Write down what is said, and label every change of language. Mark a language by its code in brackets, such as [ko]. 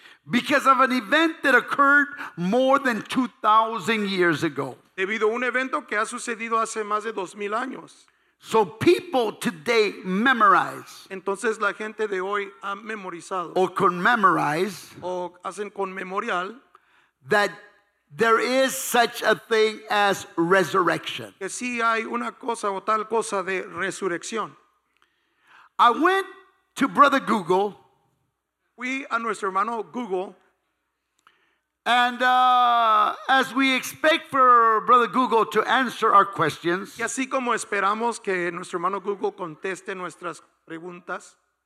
[en] Because of an event that occurred more than 2,000 years ago. [es] Debido a un evento que ha sucedido hace más de 2,000 años. [en] So people today memorize. [es] Entonces la gente de hoy ha memorizado. [en] Or commemorize. [es] O hacen conmemorial. [en] That there is such a thing as resurrection. [es] Que sí hay una cosa o tal cosa de resurrección. [en] I went to Brother Google. [es] Fui a nuestro hermano Google. [en] And as we expect for Brother Google to answer our questions. [es] Y así como esperamos que nuestro hermano Google conteste nuestras preguntas.